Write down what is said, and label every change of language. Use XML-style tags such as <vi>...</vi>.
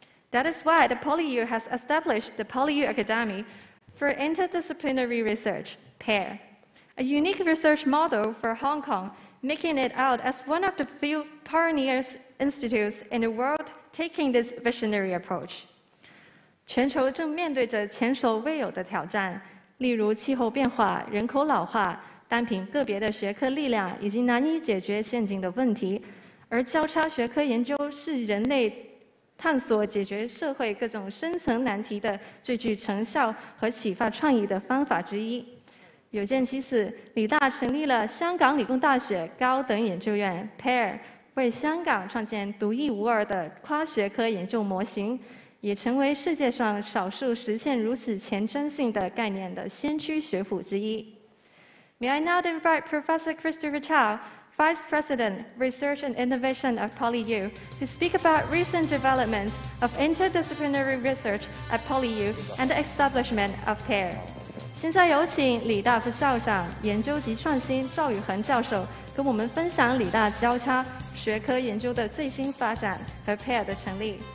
<en>That is why the PolyU has established the PolyU Academy for Interdisciplinary Research, PAIR, a unique research model for Hong Kong, making it out as one of the few pioneer institutes in the world taking this visionary approach.</en> <zh>全球正面对着前所未有的挑战，例如气候变化、人口老化，单凭个别的学科力量已经难以解决现今的问题，而交叉学科研究是人类探索解决社会各种深层难题的最具成效和启发创意的方法之一。有鉴其此，理大成立了香港理工大学高等研究院 PAIR， 为香港创建独一无二的跨学科研究模型，也成为世界上少数实现如此前瞻性的概念的先驱学府之一。</zh> <en>May I now invite Professor Christopher Chow, Vice President, Research and Innovation of PolyU, to speak about recent developments of interdisciplinary research at PolyU and the establishment of PAIR.</en> <zh>现在有请理大副校长、研究及创新赵宇恒教授跟我们分享理大交叉学科研究的最新发展和 PAIR 的成立。</zh>